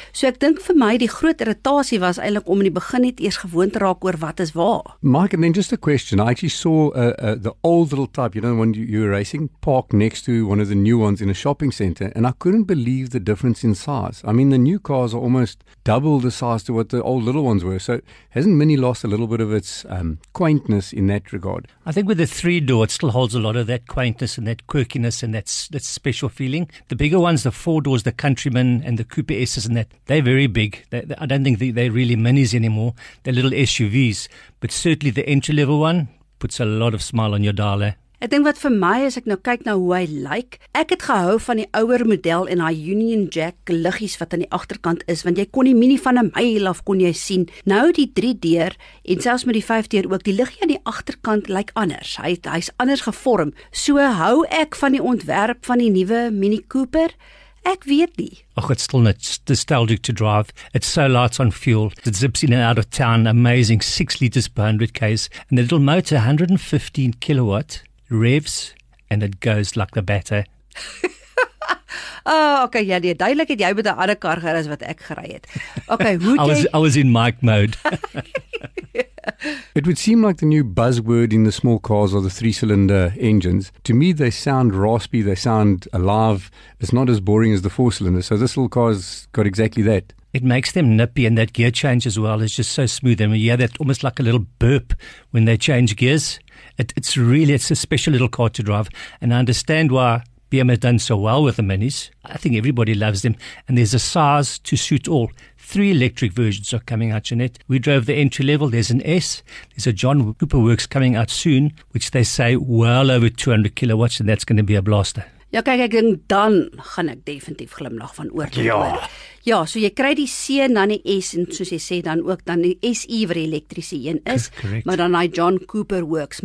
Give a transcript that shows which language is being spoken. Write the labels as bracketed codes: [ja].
[af] So ek dink vir my die groot irritasie was eintlik om in die begin net eers gewoon te raak oor wat is waar. [en] Mike, and then just a question. I actually saw the old little type, you know, when you were racing, parked next to one of the new ones in a shopping center. And I couldn't believe the difference in size. I mean, the new cars are almost double the size to what the old little ones were. So hasn't Mini lost a little bit of its quaint in that regard? I think with the three-door, it still holds a lot of that quaintness and that quirkiness and that special feeling. The bigger ones, the four-doors, the Countryman and the Cooper S's and that, they're very big. I don't think they're really minis anymore. They're little SUVs. But certainly the entry-level one puts a lot of smile on your dial, eh? [af] Ek dink wat vir my, as ek nou kyk na hoe hy lyk, ek het gehou van die ouer model en hy Union Jack liggies wat aan die agterkant is, want jy kon die mini van 'n myl af kon jy sien. Nou die 3 deur, en selfs met die 5 deur ook, die liggie aan die agterkant lyk anders. Hy is anders gevorm. So hou ek van die ontwerp van die nuwe Mini Cooper? Ek weet nie. [en] Och, it's still nostalgic to drive. It's so light on fuel. It zips in and out of town. Amazing. 6 liters per 100 k's. And the little motor, 115 kilowatt. Revs, and it goes like the batter. [af] Oh, okay, ja, nee, duidelik het jy met die ander kar gerus wat ek gery het. Okay, hoe [en] I was in mic mode. It would seem like the new buzzword in the small cars are the three-cylinder engines. To me, they sound raspy, they sound alive. It's not as boring as the four-cylinder. So this little car's got exactly that. It makes them nippy, and that gear change as well is just so smooth. I mean, yeah, that almost like a little burp when they change gears. It's a special little car to drive, and I understand why BMW has done so well with the minis. I think everybody loves them, and there's a size to suit all. 3 electric versions are coming out, Jeanette. We drove the entry level. There's an S. There's a John Cooper Works coming out soon, which they say well over 200 kilowatts, and that's going to be a blaster. [af] Ja, kyk, ek dink dan gaan ek definitief glimlag van oor tot oor. Ja, so jy kry die C en dan die S en soos jy sê dan ook dan die SI wat die elektriese een is, maar dan hy John Cooper Works.